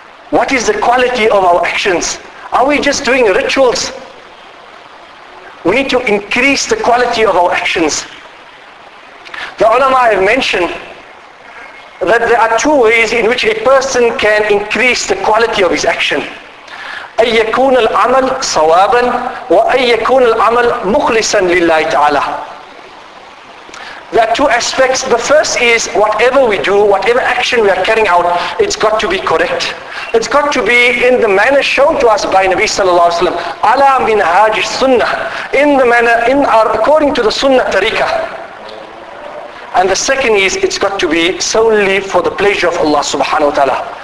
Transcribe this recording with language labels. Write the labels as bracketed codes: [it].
[en] What is the quality of our actions? Are we just doing rituals? We need to increase the quality of our actions. The ulama have mentioned that there are two ways in which a person can increase the quality of his action. [ar] أَن يَكُونَ الْعَمَلْ صَوَابًا وَأَن يَكُونَ الْعَمَلْ مُخْلِصًا لِلَّهِ تَعَالَى [en] There are two aspects. The first is whatever we do, whatever action we are carrying out, it's got to be correct. It's got to be in the manner shown to us by Nabi sallallahu alaihi wasallam. Ala minhaj sunnah. In the manner, in our, according to the sunnah tariqah. And the second is, it's got to be solely for the pleasure of Allah subhanahu wa ta'ala.